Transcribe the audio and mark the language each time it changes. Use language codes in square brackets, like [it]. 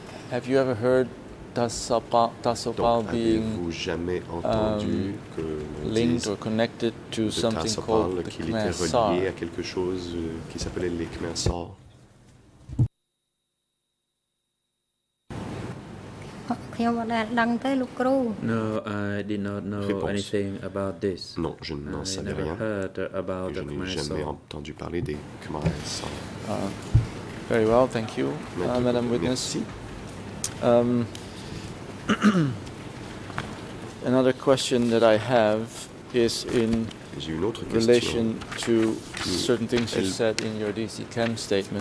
[en] Have you ever heard Dasopal being linked or connected to something called the Khmer Sar? No, I did not know anything about this. [fr] Non, je n'en savais rien. [en] I never heard about the Khmer Sar. [fr] Je n'ai jamais entendu parler des Khmer Sar. [en] Very well, thank you, Madame Witness. another question that I have is in relation to certain things you said in your DC CAM statement.